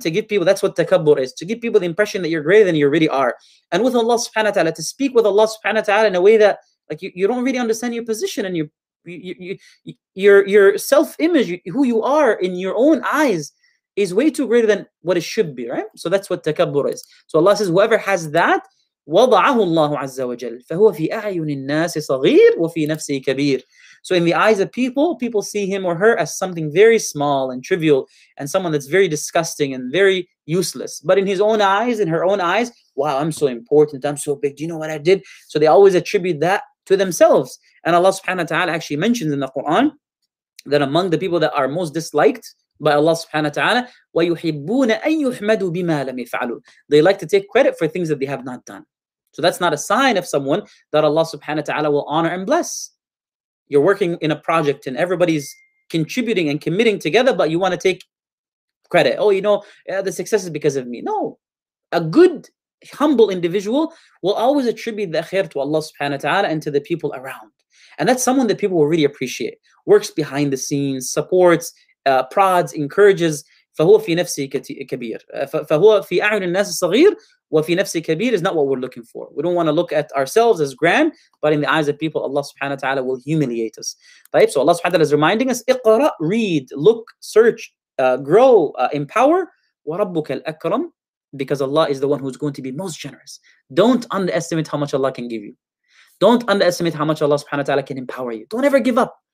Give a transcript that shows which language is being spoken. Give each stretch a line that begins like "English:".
English: To give people, that's what takabbur is, to give people the impression that you're greater than you really are. And with Allah subhanahu wa ta'ala, to speak with Allah subhanahu wa ta'ala in a way that, like, you don't really understand your position and your self-image, who you are in your own eyes, is way too greater than what it should be, right? So that's what takabbur is. So Allah says, whoever has that,
Arabic: وَضَعَهُ اللَّهُ عَزَّ وَجَلْ فَهُوَ فِي أَعْيُنِ النَّاسِ صَغِيرٌ وَفِي نَفْسِهِ كَبِيرٌ.
English: So in the eyes of people see him or her as something very small and trivial and someone that's very disgusting and very useless. But in his own eyes, in her own eyes, wow, I'm so important, I'm so big, do you know what I did? So they always attribute that to themselves. And Allah subhanahu wa ta'ala actually mentions in the Quran that among the people that are most disliked by Allah subhanahu wa ta'ala,
Arabic: وَيُحِبُّونَ أَن يُحْمَدُوا بِمَا لَمْ يَفْعَلُوا.
English: They like to take credit for things that they have not done. So that's not a sign of someone that Allah subhanahu wa ta'ala will honor and bless. You're working in a project and everybody's contributing and committing together, but you want to take credit. Oh, you know, the success is because of me. No, a good, humble individual will always attribute the khair to Allah subhanahu wa ta'ala and to the people around. And that's someone that people will really appreciate. Works behind the scenes, supports, prods, encourages.
Arabic: فَهُوَ فِي نَفْسِهِ كَبِيرٌ فَهُوَ فِي أَعْيُنِ النَّاسِ صَغِيرٌ وَفِي نَفْسِهِ كَبِيرٌ
English: is not what we're looking for. We don't want to look at ourselves as grand, but in the eyes of people, Allah subhanahu wa ta'ala will humiliate us. طيب, so Allah subhanahu wa ta'ala is reminding us, اقرأ, read, look, search, grow, empower,
Arabic: وَرَبُّكَ الْأَكْرَمُ,
English: because Allah is the one who's going to be most generous. Don't underestimate how much Allah can give you. Don't underestimate how much Allah subhanahu wa ta'ala can empower you. Don't ever give up.